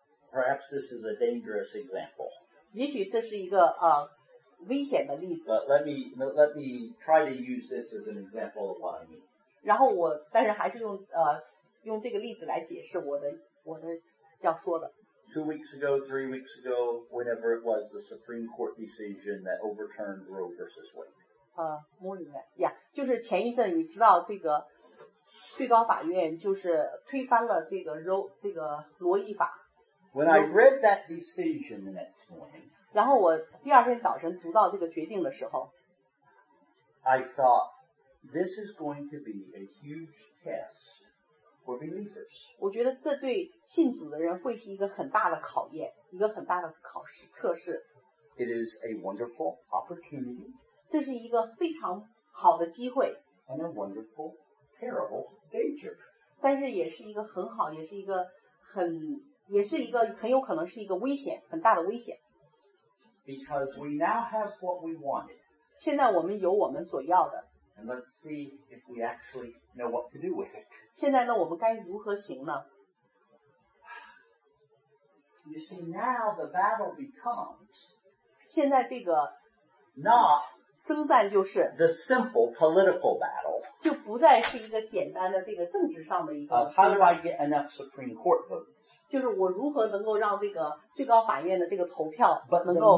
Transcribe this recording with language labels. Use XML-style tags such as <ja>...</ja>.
<en>Perhaps this is a dangerous example.</en> <zh>也许这是一个危险的例子。</zh> <en>But let me try to use this as an example of what I mean.</en> <zh>然后我但是还是用这个例子来解释我的要说的。</zh> <en>2 weeks ago, 3 weeks ago, whenever it was the Supreme Court decision that overturned Roe versus Wade. More than that. Yeah,</en> <zh>就是前一阵你知道这个最高法院就是推翻了这个罗伊法。</zh> <en>When I read that decision the next morning,</en> <zh>然后我第二天早晨读到这个决定的时候</zh> <en>I thought this is going to be a huge test for believers.</en> <zh>我觉得这对信主的人会是一个很大的考验，一个很大的考试测试。</zh> <en>It is a wonderful opportunity.</en> <zh>这是一个非常好的机会。</zh> <en>And a wonderful terrible danger.</en> <zh>但是也是一个很好，也是一个很有可能是一个危险，很大的危险。</zh> <en>Because we now have what we wanted.</en> <zh>现在我们有我们所要的。</zh> <en>And let's see if we actually know what to do with it.</en> <zh>现在呢，我们该如何行呢？</zh> <en>You see, now the battle becomes.</en> <zh>现在这个</zh> <en>not</en> <zh>征战就是</zh> <en>the simple political battle.</en> <zh>就不再是一个简单的这个政治上的一个。</zh> <en>How do I get enough Supreme Court votes?</en> <zh>就是我如何能够让这个最高法院的这个投票能够</zh>